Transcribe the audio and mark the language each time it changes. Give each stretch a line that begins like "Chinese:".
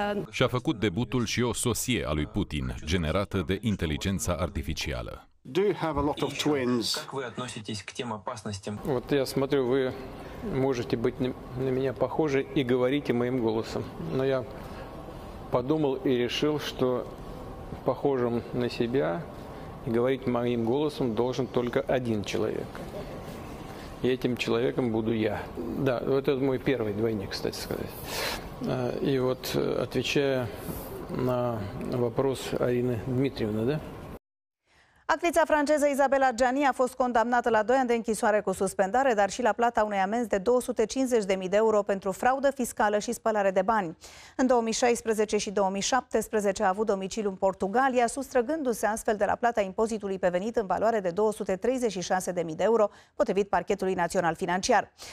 Romanian: Și-a făcut debutul și o sosie a lui Putin, generată de inteligența artificială.
English: Do you have a lot of twins?
Russian: Как вы относитесь к тем опасностям? Вот я смотрю, вы можете быть на меня похожи и говорите моим голосом. Но я подумал и решил, что похожим на себя и говорить моим голосом должен только один человек. И этим человеком буду я. Да, вот это мой первый двойник, кстати сказать. И вот отвечая на вопрос Арины Дмитриевны, да?
Romanian: Actrița franceză Isabella Gianni a fost condamnată la 2 ani de închisoare cu suspendare, dar și la plata unei amenzi de 250.000 de euro pentru fraudă fiscală și spălare de bani. În 2016 și 2017 a avut domiciliu în Portugalia, sustrăgându-se astfel de la plata impozitului pe venit în valoare de 236.000 de euro, potrivit Parchetului Național Financiar.